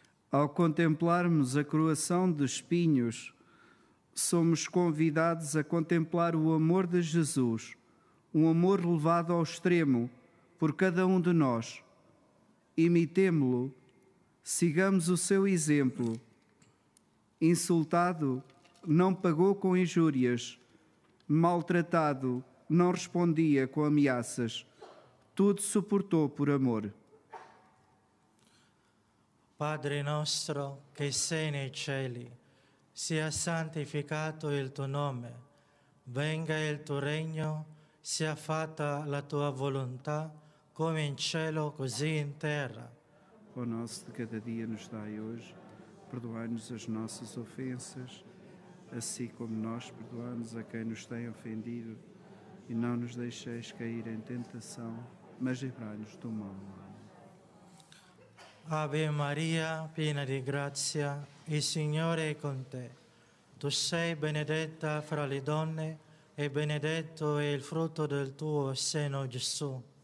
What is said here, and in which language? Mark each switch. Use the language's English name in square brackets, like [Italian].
[Portuguese] Ao contemplarmos a coroação de espinhos, somos convidados a contemplar o amor de Jesus, um amor levado ao extremo por cada um de nós. Imitemo-lo, sigamos o seu exemplo. Insultado, não pagou com injúrias. Maltratado, não respondia com ameaças. Tudo suportou por amor. [Italian] Padre nostro, que sei nei cieli, sia santificato il tuo nome, venga il tuo regno, sia fatta la tua volontà, come in cielo, così in terra. [Portuguese] O nosso de cada dia nos dai hoje, perdoai-nos as nossas ofensas, assim como nós perdoamos a quem nos tem ofendido, e não nos deixeis cair em tentação, mas livrai-nos do mal. [Italian] Ave Maria, piena di grazia, il Signore è con te. Tu sei benedetta fra le donne e benedetto è il frutto del tuo seno, Gesù.